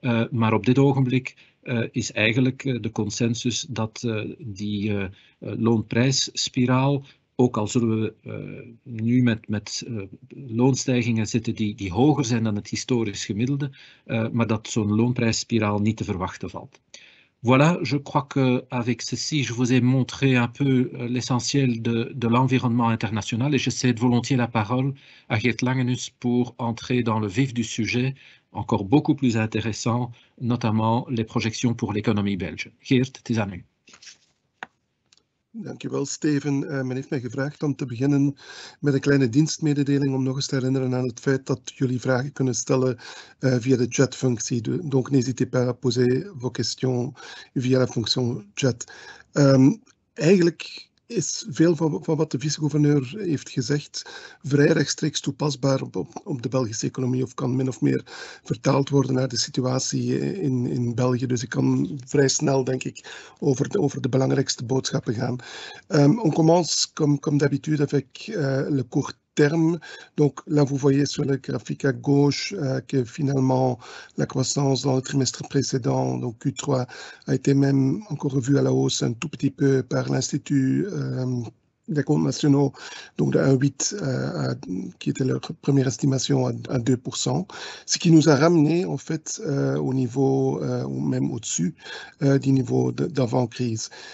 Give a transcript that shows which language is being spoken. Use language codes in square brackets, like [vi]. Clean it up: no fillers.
[nl] Maar op dit ogenblik is eigenlijk de consensus dat die loonprijsspiraal, ook al zullen we nu met loonstijgingen zitten die hoger zijn dan het historisch gemiddelde, maar dat zo'n loonprijsspiraal niet te verwachten valt. [fr] Voilà, je crois que avec ceci, je vous ai montré un peu l'essentiel de l'environnement international et je cède volontiers la parole à Geert Langenus pour entrer dans le vif du sujet, encore beaucoup plus intéressant, notamment les projections pour l'économie belge. [nl] Geert, het is aan u. Dankjewel, Steven. Men heeft mij gevraagd om te beginnen met een kleine dienstmededeling om nog eens te herinneren aan het feit dat jullie vragen kunnen stellen via de chatfunctie. [fr] Donc n'hésitez pas à poser vos questions via la fonction chat. [nl] Eigenlijk is veel van wat de vicegouverneur heeft gezegd vrij rechtstreeks toepasbaar op de Belgische economie of kan min of meer vertaald worden naar de situatie in België. Dus ik kan vrij snel, denk ik, over de belangrijkste boodschappen gaan. [fr] On commence comme d'habitude avec le court terme. Donc là, vous voyez sur le graphique à gauche que finalement la croissance dans le trimestre précédent, donc Q3, a été même encore revue à la hausse un tout petit peu par l'Institut des comptes nationaux, donc de 1,8 qui était leur première estimation à 2%, ce qui nous a ramené en fait au niveau ou même au-dessus du niveau d'avant-crise.